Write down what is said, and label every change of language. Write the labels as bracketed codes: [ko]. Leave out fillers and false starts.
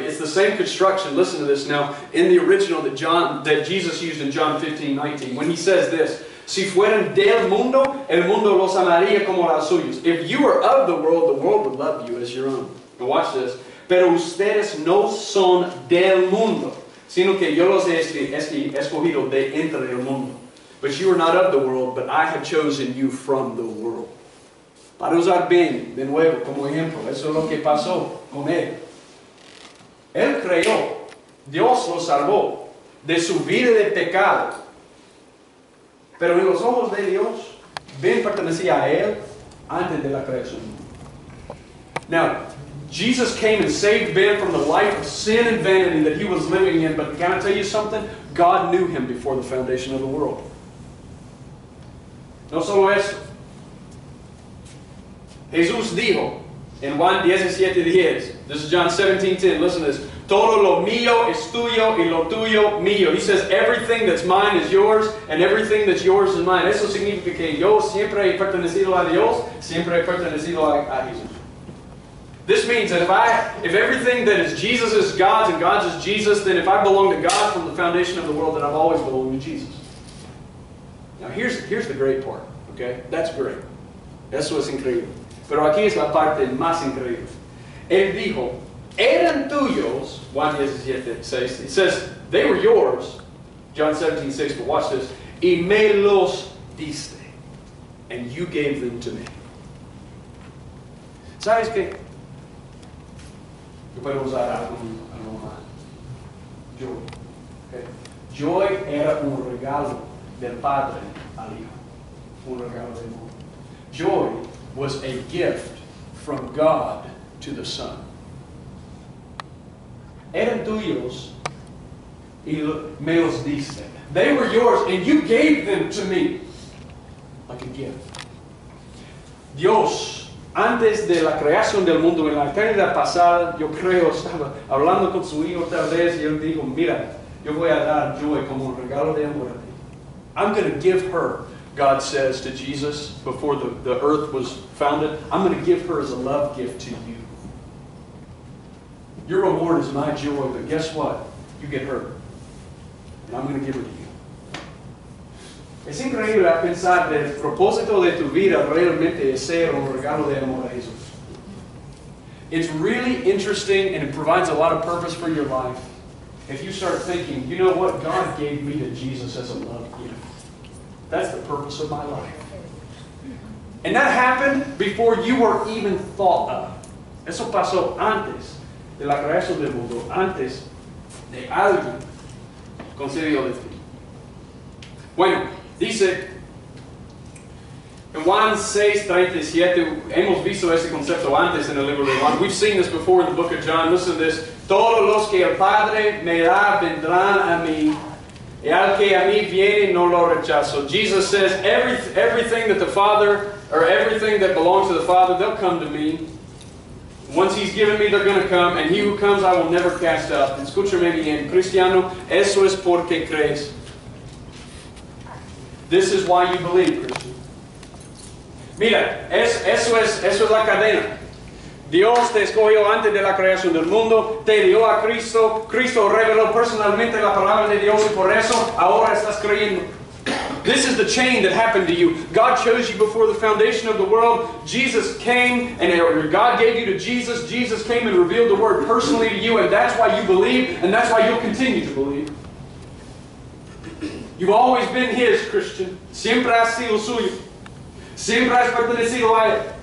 [en] It's the same construction, listen to this now, in the original that Jesus used in John 15:19. When He says this, [es] si fueran del mundo, el mundo los amaría como las suyas. [en] If you were of the world would love you as your own. Now watch this. [es] Pero ustedes no son del mundo, sino que yo los he escogido de entre el mundo. [en] But you are not of the world, but I have chosen you from the world. [es] Para usar bien, de nuevo, como ejemplo, eso es lo que pasó con él. Él creyó, Dios lo salvó de su vida de pecado. Pero en los ojos de Dios, bien pertenecía a él antes de la creación. [en] Now, Jesus came and saved Ben from the life of sin and vanity that he was living in. But can I tell you something? God knew him before the foundation of the world. [es] No solo eso. Jesús dijo en Juan 17:10. [en] This is John 17:10. Listen to this. [es] Todo lo mío es tuyo y lo tuyo mío. [en] He says, everything that's mine is yours and everything that's yours is mine. [es] Eso significa que yo siempre he pertenecido a Dios, siempre he pertenecido a Jesús. [en] This means that if everything that is Jesus is God's and God's is Jesus, then if I belong to God from the foundation of the world, then I've always belonged to Jesus. Now here's the great part, okay? That's great. [es] Eso es increíble. Pero aquí es la parte más increíble. Él dijo, eran tuyos, Juan 17:6. [en] It says, they were yours, John 17:6, but watch this. [es] Y me los diste. [en] And you gave them to me. [es] ¿Sabes qué? Yo puedo usar algo más. Joy. Okay. Joy era un regalo del padre al hijo. Un regalo de amor. [en] Joy was a gift from God to the Son. [es] Eran tuyos y me los diste. [en] They were yours and you gave them to me. Like a gift. [es] Dios, antes de la creación del mundo, en la eternidad pasada, yo creo, estaba hablando con su hijo tal vez, y él dijo, mira, yo voy a dar joy como un regalo de amor a ti. [en] I'm going to give her, God says to Jesus, before the earth was founded, I'm going to give her as a love gift to you. Your reward is my joy, but guess what? You get her. And I'm going to give her to you. Es increíble pensar que el propósito de tu vida realmente es ser un regalo de amor a Jesús. It's really interesting and it provides a lot of purpose for your life if you start thinking, you know what? God gave me to Jesus as a love gift. That's the purpose of my life. And that happened before you were even thought of. [es] Eso pasó antes de la creación del mundo, antes de alguien concedió de ti. Bueno, dice, en Juan 6:37, hemos visto ese concepto antes en el libro de Juan. [en] We've seen this before in the book of John. Listen to this. [es] Todos los que el Padre me da vendrán a mí, y al que a mí viene no lo rechazo. [en] Jesus says, everything that the Father, or everything that belongs to the Father, they'll come to me. Once He's given me, they're going to come, and he who comes, I will never cast out. [es] Escúchame bien, cristiano, eso es porque crees. [en] This is why you believe, Christian. [es] Mira, eso es la cadena. Dios te escogió antes de la creación del mundo, te dio a Cristo, Cristo reveló personalmente la palabra de Dios y por eso ahora estás creyendo. [en] This is the chain that happened to you. God chose you before the foundation of the world. Jesus came, and God gave you to Jesus. Jesus came and revealed the Word personally to you, and that's why you believe, and that's why you'll continue to believe. You've always been His, Christian. [es] Siempre has sido suyo. Siempre has pertenecido a Él.